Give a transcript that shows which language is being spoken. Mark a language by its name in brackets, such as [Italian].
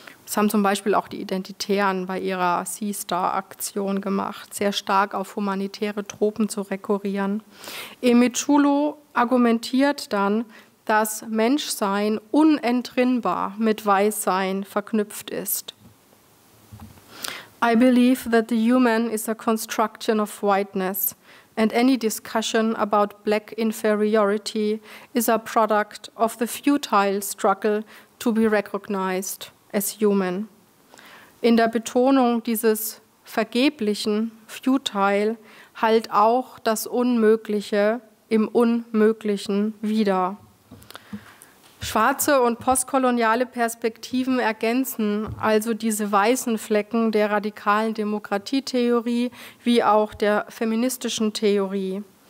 [German] Das haben zum Beispiel auch die Identitären bei ihrer Sea-Star-Aktion gemacht, sehr stark auf humanitäre Tropen zu rekurrieren. Emet Schulo argumentiert dann, dass Menschsein unentrinnbar mit Weißsein verknüpft ist. [English] I believe that the human is a construction of whiteness, and any discussion about black inferiority is a product of the futile struggle to be recognized as human. [German] In der Betonung dieses vergeblichen, futile, hallt auch das Unmögliche im Unmöglichen wider. Schwarze und postkoloniale Perspektiven ergänzen also diese weißen Flecken der radikalen Demokratietheorie wie auch der feministischen Theorie,